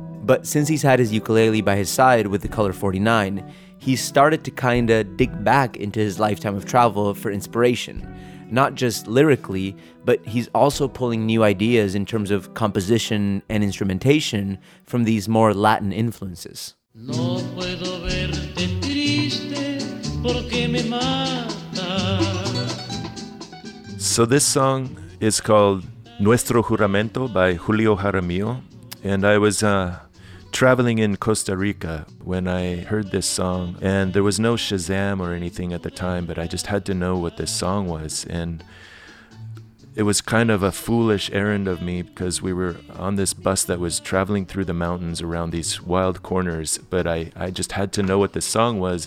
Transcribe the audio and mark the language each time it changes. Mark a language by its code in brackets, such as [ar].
[en] But since he's had his ukulele by his side with the Color 49, he's started to kinda dig back into his lifetime of travel for inspiration. Not just lyrically, but he's also pulling new ideas in terms of composition and instrumentation from these more Latin influences. [es] No puedo verte triste porque me mata. [en] So this song is called Nuestro Juramento by Julio Jaramillo, and I was traveling in Costa Rica when I heard this song, and there was no Shazam or anything at the time, but I just had to know what this song was. And it was kind of a foolish errand of me, because we were on this bus that was traveling through the mountains around these wild corners, but I just had to know what this song was.